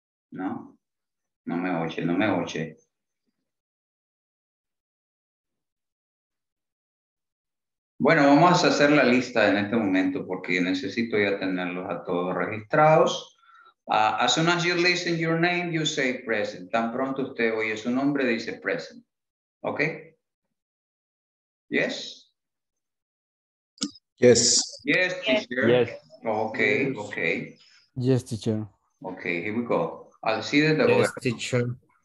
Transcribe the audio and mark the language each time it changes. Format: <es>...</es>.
<es>No, no me oye, no me oye. Bueno, vamos a hacer la lista en este momento porque necesito ya tenerlos a todos registrados.</es> <en>As soon as you listen your name, you say present.</en> <es>Tan pronto usted oye su nombre, dice present.</es> <en>¿Ok? Yes? Yes. Yes, teacher. Yes. Ok, ok. Yes, teacher. Ok, here we go. Alcides Dagoberto. Yes, teacher.</en>